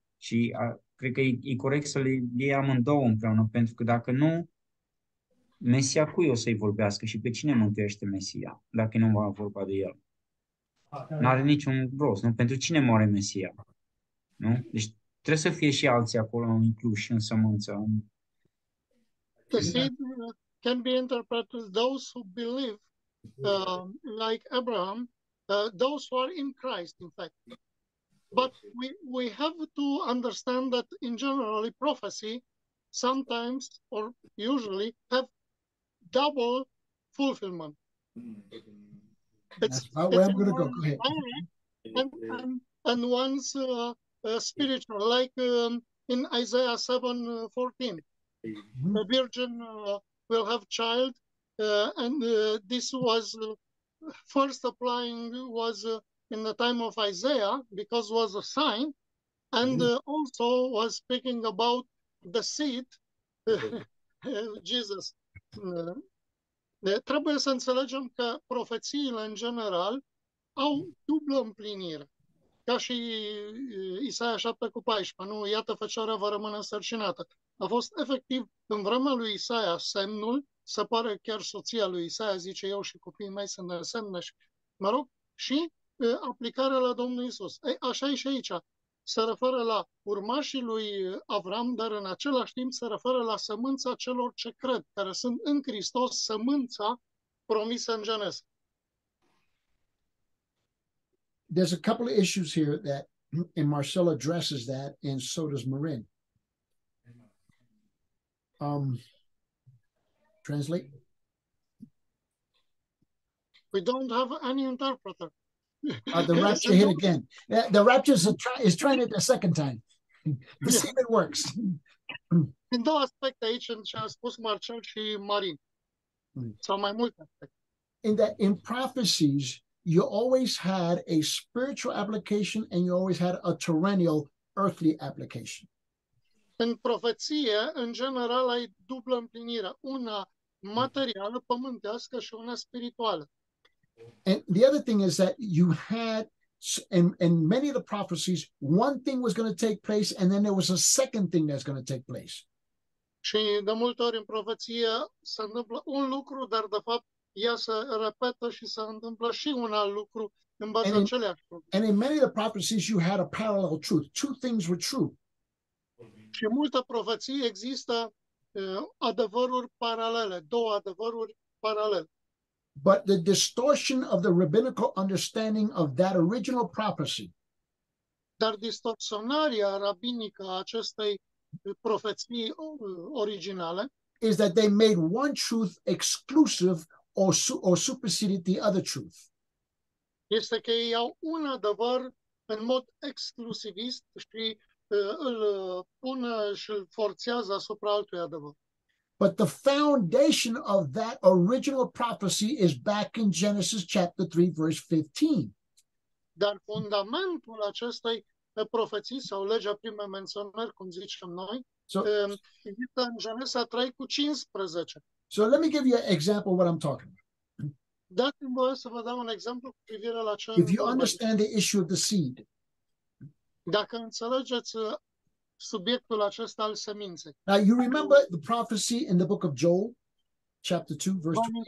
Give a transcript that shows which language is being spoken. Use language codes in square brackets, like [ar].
[ro] Și cred că e corect să le iei amândouă împreună, pentru că dacă nu, Mesia cui o să-i vorbească și pe cine mântuiește Mesia, dacă nu va vorba de el? N-are niciun rost, nu? Pentru cine moare Mesia? Nu? Deci trebuie să fie și alții acolo incluși în sămânță. [en] The seed can be interpreted those who believe like Abraham, those who are in Christ, in fact. But we have to understand that in generally prophecy sometimes or usually have double fulfillment. That's how I'm going to go. Go ahead. And once spiritual, like in Isaiah 7:14, the virgin will have child, and this was first applying was in the time of Isaiah, because it was a sign, And also was speaking about the seed, Jesus. [ro] Trebuie să înțelegem că profețiile, în general, au dublă împlinire. Ca și Isaia 7 cu 14, nu? Iată, fecioara va rămâne însărcinată. A fost efectiv în vremea lui Isaia semnul, se pare chiar soția lui Isaia zice, eu și copiii mei sunt însemne și, mă rog, și aplicarea la Domnul Isus. Ei, așa e și aici. Se referă la urmașii lui Avram, dar în același timp se referă la sămânța celor ce cred, care sunt în Hristos, sămânța promisă în Geneză. [en] There's a couple of issues here that, and Marcel addresses that, and so does Marin. Translate. We don't have any interpreter. The rapture hit again. The rapture is trying it a second time. To see if it works. [ro] În două aspecte aici ce a spus Marcel și Marin. Sau mai multe aspecte. [en] In that, in prophecies, you always had a spiritual application and you always had a terrenal earthly application. [ro] În profeție, în general, ai dublă împlinire. Una materială, pământească și una spirituală. [en] And the other thing is that you had, in many of the prophecies, one thing was going to take place and then there was a second thing that's going to take place. [ro] Și de multe ori în profeție se întâmplă un lucru, dar de fapt ea se repetă și se întâmplă și un alt lucru în baza aceleași. [en] And in many of the prophecies you had a parallel truth. Two things were true. [ro] Și în multe profeții există adevăruri paralele, două adevăruri paralele. [en] But the distortion of the rabbinical understanding of that original prophecy. [ro] Dar distorsionarea rabinică a acestei profeții originale [en] is that they made one truth exclusive or superseded the other truth. [ro] Este că ei au un adevăr în mod exclusivist și îl pun și îl forțează asupra altui adevăr. [en] But the foundation of that original prophecy is back in Genesis chapter 3, verse 15. [ro] Dar fundamentul acestei profeții sau legea primei menționări, cum zicem noi, există în Genesa 3 cu 15. [en] So let me give you an example of what I'm talking about. [ro] Dați-mi voie să vă dau un exemplu cu privire la ce. [en] If you understand the issue of the seed. [ro] Dacă înțelegeți subiectul acesta al seminței. [en] Now you remember the prophecy in the book of Joel, chapter 2, verse